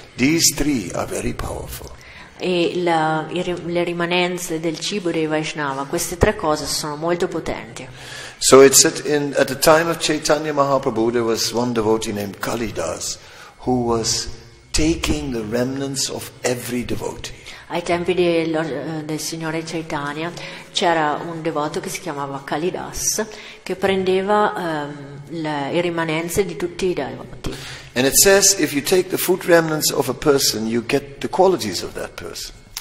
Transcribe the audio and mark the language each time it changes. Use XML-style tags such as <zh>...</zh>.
<en>These three are very powerful.</en> <it>E la, le rimanenze del cibo dei Vaishnava, queste tre cose sono molto potenti.</it> <en>So it's at the time of Chaitanya Mahaprabhu, there was one devotee named Kalidas who was taking the remnants of every devotee.</en> <it>Ai tempi del signore Chaitanya c'era un devoto che si chiamava Kalidas che prendeva le rimanenze di tutti i devoti.</it> <en>And it says if you take the food remnants of a person you get the qualities of that person.</en>